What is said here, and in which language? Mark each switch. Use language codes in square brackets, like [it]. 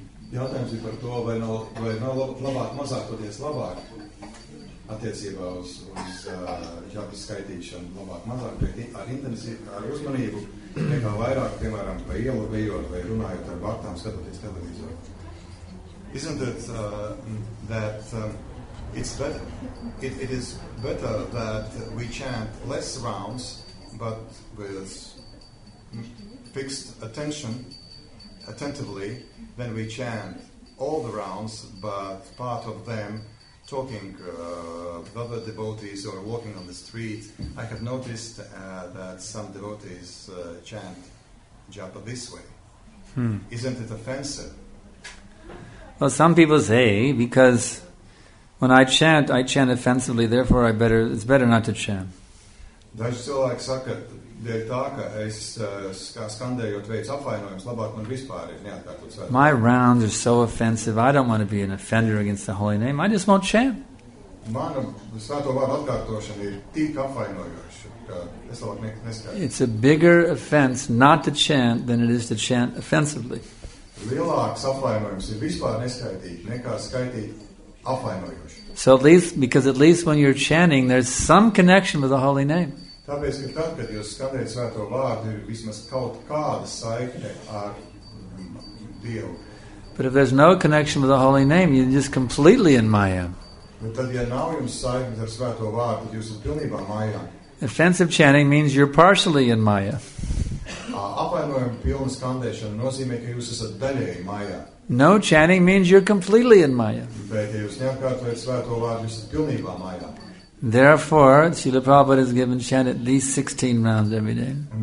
[lv] Jautājums ir par to, vai nav, vai nav labāk, mazāk toties labāk attiecībā uz, jāpi skaitīšanu, labāk, mazāk, bet ar intensību, ar uzmanību, nekā vairāk, piemēram, pa ielu bijot vai runājot ar baktām, skatoties televizoru. [en] Isn't it that it's better, it is better that we chant less rounds, but with fixed attention, attentively, then we chant all the rounds, but part of them talking with other devotees or walking on the street. I have noticed that some devotees chant japa this way. Isn't it offensive? Well, some people say, because when I chant offensively, therefore it's better not to chant. [lv] Daži cilvēki saka, dēļ tā, ka es skandējot veicu apvainojumus, labāk man vispār ir neatkārtot svētību. [en] My rounds are so offensive, I don't want to be an offender against the holy name, I just won't chant. [lv] Mana svēto vārdu atkārtošana ir tik apvainojoša, ka es labāk neskārtu. [en] It's a bigger offense not to chant than it is to chant offensively. [lv] Lielāks apvainojums ir vispār neskaitīt, nekā skaitīt apvainojoši. [en] So at least, because at least when you're chanting, there's some connection with the holy name. [lv] Tāpēc, ka tad, kad jūs skatiet svēto vārdu, ir vismaz kaut kāda saikne ar Dievu. [en] But if there's no connection with the holy name, you're just completely in maya. [lv] Bet tad, ja nav jums saikne ar svēto vārdu, jūs esat pilnībā maya. [en] Offensive chanting means you're partially in maya. [lv] Apvainojuma pilna skandēšana nozīmē, ka jūs esat daļēji maya. [en] No chanting means you're completely in maya. [lv] Bet, ja jūs neapkārtojat svēto vārdu, jūs esat pilnībā maya. [en] Therefore, Srila Prabhupada has given chant at least 16 rounds every day.